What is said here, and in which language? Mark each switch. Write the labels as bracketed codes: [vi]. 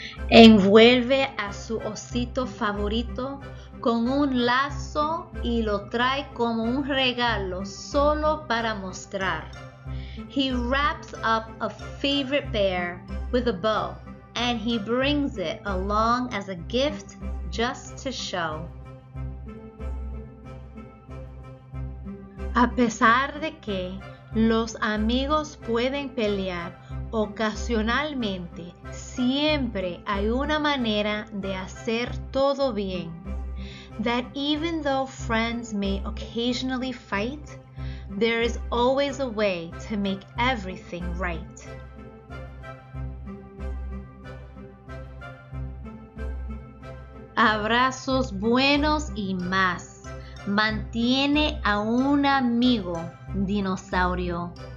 [es] Envuelve a su osito favorito con un lazo y lo trae como un regalo solo para mostrar. [en] He wraps up a favorite bear with a bow, and he brings it along as a gift just to show. [es] A pesar de que los amigos pueden pelear ocasionalmente, siempre hay una manera de hacer todo bien. [en] That even though friends may occasionally fight, there is always a way to make everything right. [es] Abrazos buenos y más. Mantiene a un amigo, dinosaurio.